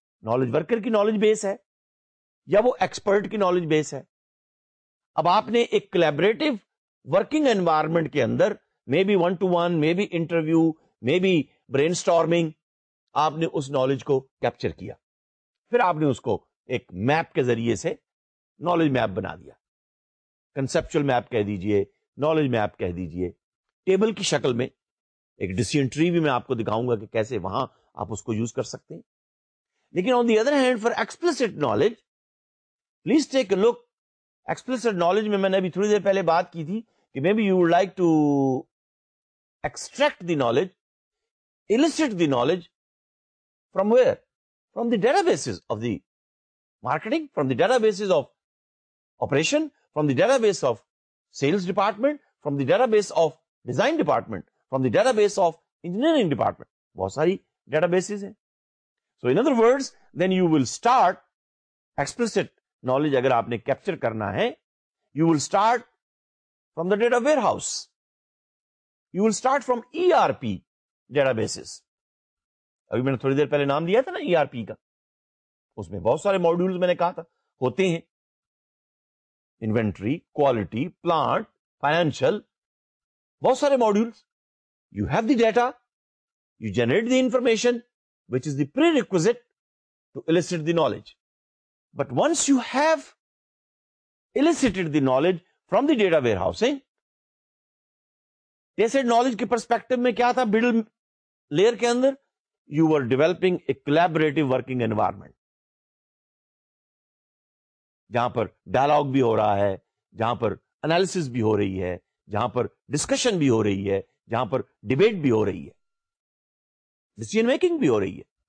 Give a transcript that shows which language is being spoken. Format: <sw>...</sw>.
<ur>Knowledge worker کی knowledge base ہے یا وہ ایکسپرٹ کی نالج بیس ہے؟ اب آپ نے ایک کلیبریٹو ورکنگ انوائرمنٹ کے اندر,</ur> <en>maybe one to one, maybe interview, maybe brainstorming,</en> <ur>آپ نے اس نالج کو کیپچر کیا, پھر آپ نے اس کو ایک میپ کے ذریعے سے نالج میپ بنا دیا, کنسپچل میپ کہہ دیجئے, نالج میپ کہہ دیجئے, ٹیبل کی شکل میں. ایک ڈیسیژن ٹری بھی میں آپ کو دکھاؤں گا کہ کیسے وہاں آپ اس کو یوز کر سکتے ہیں. لیکن</ur> <en>On the other hand, for explicit knowledge, please take a look. Explicit knowledge</en> <ur>میں میں نے ابھی تھوڑی دیر پہلے بات کی تھی کہ</ur> <en>Maybe you would like to extract the knowledge, elicit the knowledge from where, from the databases of the marketing, from the databases of operation, from the database of sales department, from the database of design department, from the database of engineering department.</en> <ur>بہت ساری data bases ہیں.</ur> <en>so in other words, then you will start explicit knowledge,</en> <ur>اگر آپ نے capture کرنا ہے,</ur> <en>You will start from the data warehouse, you will start from E R P databases.</en> <ur>ابھی میں نے تھوڑی دیر پہلے نام دیا تھا نا ای آر پی کا, اس میں بہت سارے ماڈیول میں نے کہا تھا ہوتے ہیں, انوینٹری, کوالٹی, پلانٹ, فائنینشل, بہت سارے modules.</ur> <en>You have the data, you generate the information which is the prerequisite to elicit the knowledge. But once you have elicited the knowledge from the data warehousing,</en> <ur>test knowledge کے perspective میں کیا تھا middle layer کے اندر,</ur> <en>you are developing a collaborative working environment</en> <ur>جہاں پر dialog بھی ہو رہا ہے, جہاں پر انالیسز بھی ہو رہی ہے, جہاں پر ڈسکشن بھی ہو رہی ہے, جہاں پر ڈیبیٹ بھی ہو رہی ہے, ڈیسیژن میکنگ بھی ہو رہی ہے.</ur>